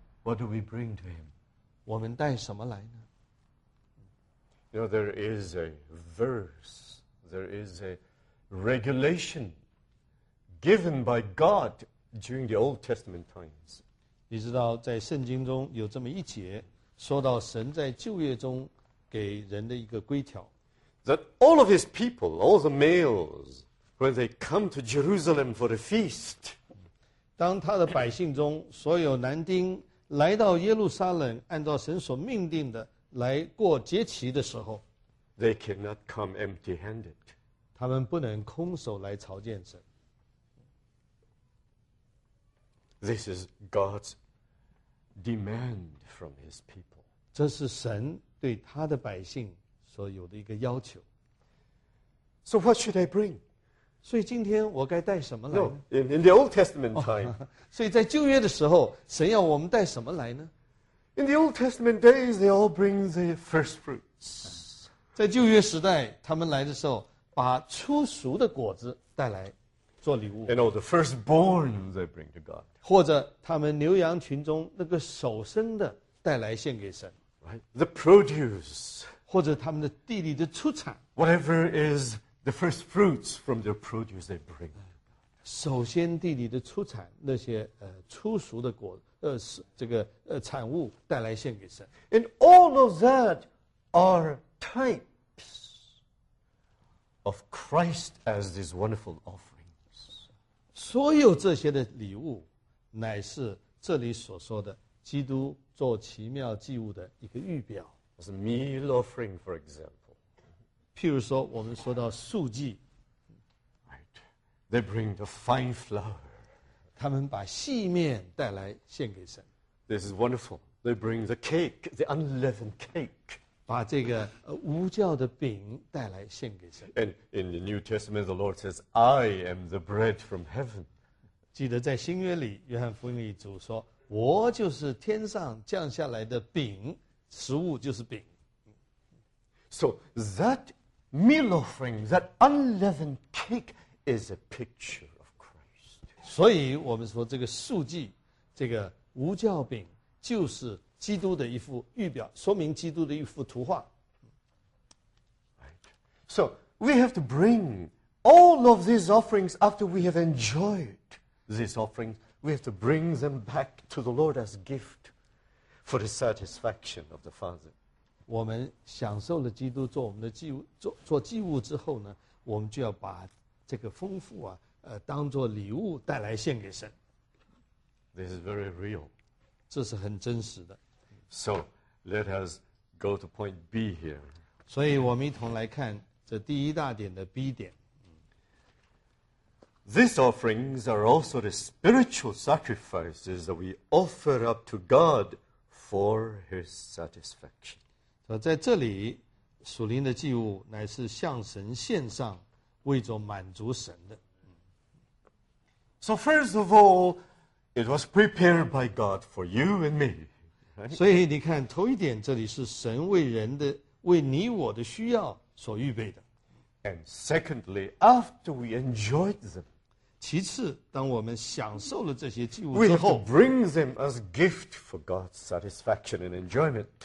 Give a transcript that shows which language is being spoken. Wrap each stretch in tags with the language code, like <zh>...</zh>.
<en>What do we bring to him?</en> <zh>我们带什么来呢？</zh> <en>You know, there is a verse, there is a regulation given by God during the Old Testament times.</en> <zh>你知道在圣经中有这么一节说到神在旧约中给人的一个规条，</zh> <en>that all of his people, all the males, when they come to Jerusalem for the feast,</en> <zh>当他的百姓中所有男丁来到耶路撒冷，按照神所命定的来过节期的时候，</zh> <en>they cannot come empty-handed.</en> <zh>他们不能空手来朝见神。</zh> <en>This is God's demand from his people.</en> <zh>这是神对他的百姓所有的一个要求。</zh> <en>So what should I bring?</en> <zh>所以今天我该带什么来呢？</zh> <en>No, in the Old Testament time.</en> <zh>所以在旧约的时候，神要我们带什么来呢？</zh> <en>In the Old Testament days, they all bring the first fruits.</en> <zh>在旧约时代，他们来的时候，把初熟的果子带来做礼物。</zh> <en>And all the firstborn they bring to God.</en> <zh>或者他们牛羊群中那个首生的带来献给神。</zh> <en>The produce,</en> <zh>或者他们的地里的出产，</zh> <en>whatever is the first fruits from their produce they bring.</en> <zh>首先地里的出产，那些初熟的果，这个产物带来献给神。</zh> <en>And all of that are types of Christ as these wonderful offerings.</en> <zh>所有这些的礼物，乃是这里所说的基督做奇妙祭物的一个预表。</zh> <en>As a meal offering, for example.</en> <zh>譬如说我们说到素祭。</zh> <en>Right. They bring the fine flour.</en> <zh>他们把细面带来献给神。</zh> <en>This is wonderful. They bring the cake, the unleavened cake.</en> <zh>把这个无酵的饼带来献给神。</zh> <en>And in the New Testament, the Lord says, I am the bread from heaven.</en> <zh>记得在新约里，约翰福音里主说，我就是天上降下来的饼，食物就是饼。</zh> <en>So that meal offering, that unleavened cake is a picture of Christ.</en> <zh>所以我们说这个素祭，这个无酵饼就是基督的一幅预表，说明基督的一幅图画。</zh> <en>Right. So we have to bring all of these offerings after we have enjoyed these offerings. We have to bring them back to the Lord as gift for the satisfaction of the Father.</en> <zh>我们享受了基督做我们的祭物，做祭物之后呢，我们就要把这个丰富啊，当做礼物带来献给神。</zh> <en>This is very real.</en> <zh>这是很真实的。</zh> <en>So, let us go to point B here.</en> <zh>所以我们一同来看这第一大点的 B 点。</zh> <en>These offerings are also the spiritual sacrifices that we offer up to God for His satisfaction.</en> <zh>在这里，属灵的祭物乃是向神献上，为着满足神的。</zh> <en>So, first of all,It was prepared by God for you and me.</en> <zh>所以你看，头一点，这里是神为人的，为你我的需要所预备的。</zh> <en>And secondly, after we enjoyed them,</en> <zh>其次，当我们享受了这些祭物之后</zh> <en>，we have to bring them as gift for God's satisfaction and enjoyment.</en>